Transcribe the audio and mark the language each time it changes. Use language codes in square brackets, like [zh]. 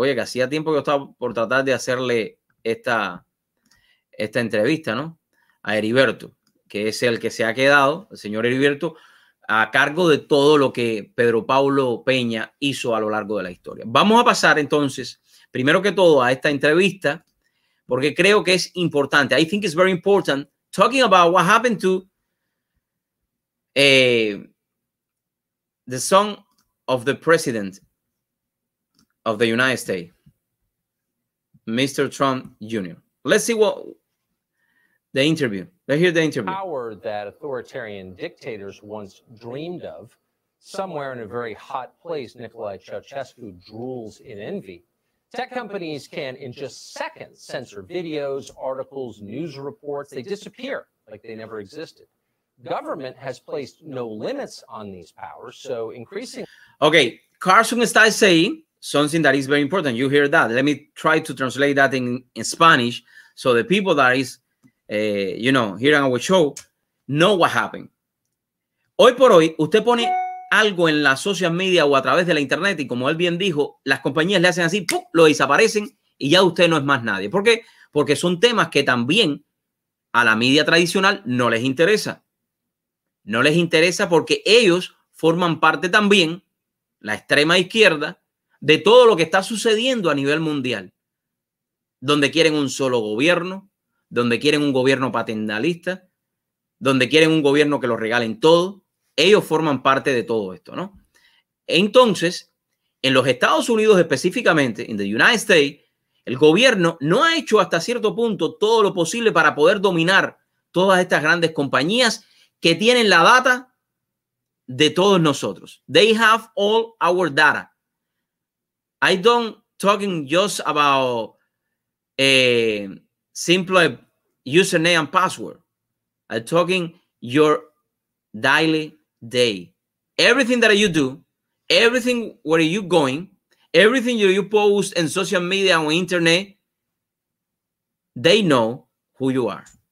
[es] Oye, que hacía tiempo que yo estaba por tratar de hacerle esta entrevista, ¿no? A Heriberto, que es el que se ha quedado, el señor Heriberto, a cargo de todo lo que Pedro Paulo Peña hizo a lo largo de la historia. Vamos a pasar entonces, primero que todo, a esta entrevista, porque creo que es importante. [en] I think it's very important talking about what happened to the son of the president of the United States, Mr. Trump Jr. Let's see what the interview. Let's hear the interview. Power that authoritarian dictators once dreamed of, somewhere in a very hot place, Nicolae Ceaușescu drools in envy. Tech companies can, in just seconds, censor videos, articles, news reports. They disappear like they never existed. Government has placed no limits on these powers, so increasing... Okay, Carson [es] está [en] saying something that is very important. You hear that. Let me try to translate that in Spanish so the people that is, you know, here on our show know what happened. [es] Hoy por hoy, usted pone algo en la [en] social media [es] o a través de la internet y como él bien dijo, las compañías le hacen así, ¡pum!, lo desaparecen y ya usted no es más nadie. ¿Por qué? Porque son temas que también a la media tradicional no les interesa. No les interesa porque ellos forman parte también, la extrema izquierda, de todo lo que está sucediendo a nivel mundial. Donde quieren un solo gobierno, donde quieren un gobierno paternalista, donde quieren un gobierno que lo regalen todo. Ellos forman parte de todo esto, ¿no? Entonces, en los Estados Unidos específicamente, en [en] the United States, [es] el gobierno no ha hecho hasta cierto punto todo lo posible para poder dominar todas estas grandes compañías que tienen la data de todos nosotros. [en] They have all our data. I don't talking just about a simple username and password. I'm talking your daily day. Everything that you do, everything where you're going, everything you post in social media and on internet, they know who you are.